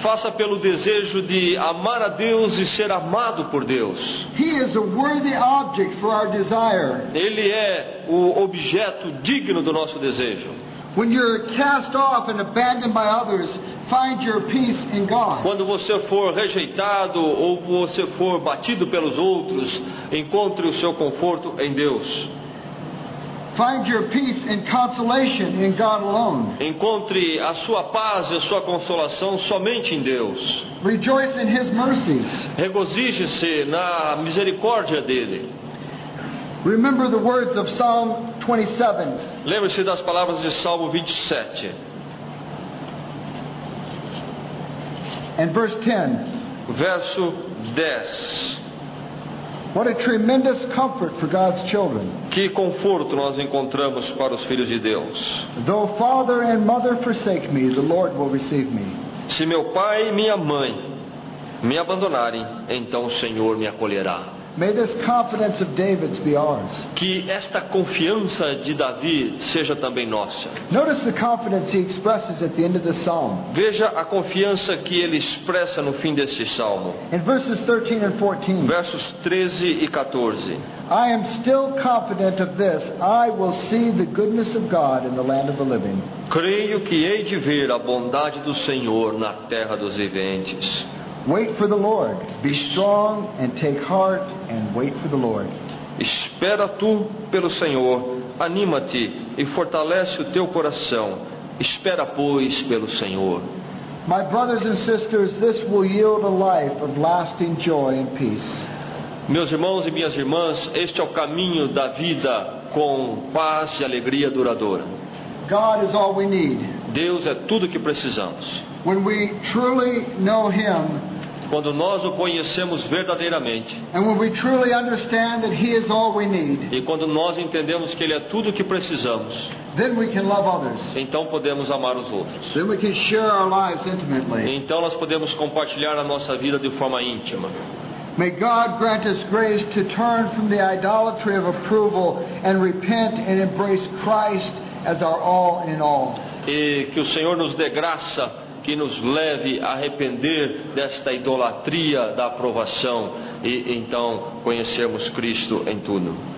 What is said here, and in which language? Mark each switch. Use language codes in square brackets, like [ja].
[pt] Faça pelo desejo de amar a Deus e ser amado por Deus. [en] He is a worthy object for our desire. [pt] Ele é o objeto digno do nosso desejo. [en] When you're cast off and abandoned by others, find your peace in God. [pt] Quando você for rejeitado ou você for batido pelos outros, encontre o seu conforto em Deus. [en] Find your peace and consolation in God alone. [pt] Encontre a sua paz e a sua consolação somente em Deus. [en] Rejoice in his mercies. [pt] Regozije-se na misericórdia dele. [en] Remember the words of Psalm 27. [pt] Lembre-se das palavras de Salmo 27. [en] And verse 10. [pt] Verso 10. [en] What a tremendous comfort for God's children. [pt] Que conforto nós encontramos para os filhos de Deus. [en] Though father and mother forsake me, the Lord will receive me. [pt] Se meu pai e minha mãe me abandonarem, então o Senhor me acolherá. [en] May this confidence of David's be ours. [pt] Que esta confiança de Davi seja também nossa. [en] Notice the confidence he expresses at the end of the psalm. [pt] Veja a confiança que ele expressa no fim deste salmo. [en] In verses 13 and 14. [pt] Versos 13 e 14. [en] I am still confident of this, I will see the goodness of God in the land of the living. [pt] Creio que hei de ver a bondade do Senhor na terra dos viventes. [en] Wait for the Lord. Be strong and take heart and wait for the Lord. [pt] Espera tu pelo Senhor. Anima-te e fortalece o teu coração. Espera, pois, pelo Senhor. [en] My brothers and sisters, this will yield a life of lasting joy and peace. [pt] Meus irmãos e minhas irmãs, este é o caminho da vida com paz e alegria duradoura. [en] God is all we need. [pt] Deus é tudo o que precisamos. [en] When we truly know him, [pt] quando nós o conhecemos verdadeiramente, [en] and when we truly understand that he is all we need, [pt] e quando nós entendemos que ele é tudo o que precisamos, [en] then we can love others. [pt] Então podemos amar os outros. [en] Then we can share our lives intimately. [pt] Então nós podemos compartilhar a nossa vida de forma íntima. [en] May God grant us grace to turn from the idolatry of approval and repent and embrace Christ as our all in all. [pt] E que o Senhor nos dê graça que nos leve a arrepender desta idolatria da aprovação e então conhecermos Cristo em tudo.